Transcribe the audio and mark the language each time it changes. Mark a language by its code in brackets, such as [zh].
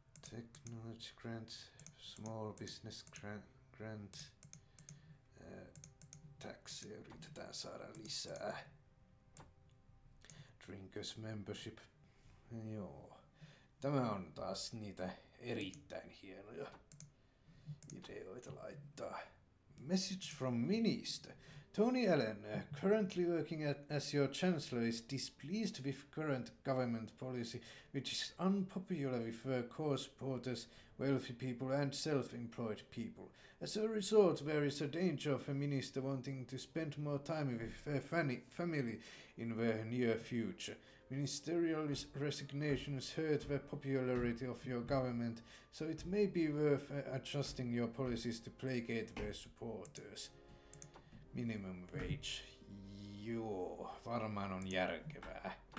[en] Technology grants, small business grants, [fi] taxia yritetään saada lisää. [en] Drinkers membership, [fi] joo. Tämä on taas niitä erittäin hienoja ideoita laittaa. [en] Message from Minister. Tony Allen, currently working as your chancellor, is displeased with current government policy, which is unpopular with core supporters, wealthy people and self-employed people. As a result, there is a danger of a minister wanting to spend more time with her family in the near future. Ministerial resignations hurt the popularity of your government, so it may be worth adjusting your policies to placate their supporters. Minimum wage. [fi] Joo, varmaan on järkevää.